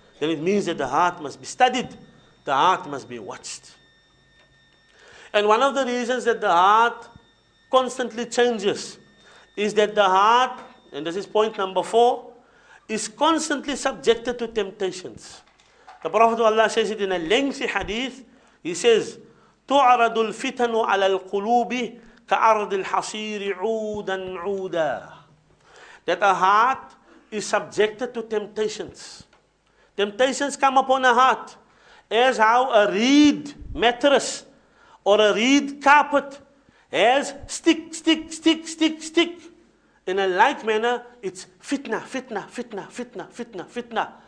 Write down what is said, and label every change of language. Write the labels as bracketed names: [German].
[English] Then it means that the heart must be studied. The heart must be watched. And one of the reasons that the heart constantly changes is that the heart, and this is point number 4, is constantly subjected to temptations. The Prophet of Allah says it in a lengthy hadith. He says, [Arabic] تُعْرَضُ الْفِتَنُ عَلَى الْقُلُوبِ كَأَرْضِ الْحَصِيرِ عُودًا عُودًا. [English] That a heart is subjected to temptations. Temptations come upon a heart as how a reed mattress or a reed carpet has stick, stick, stick, stick, stick. In a like manner, it's fitna, fitna, fitna, fitna, fitna, fitna.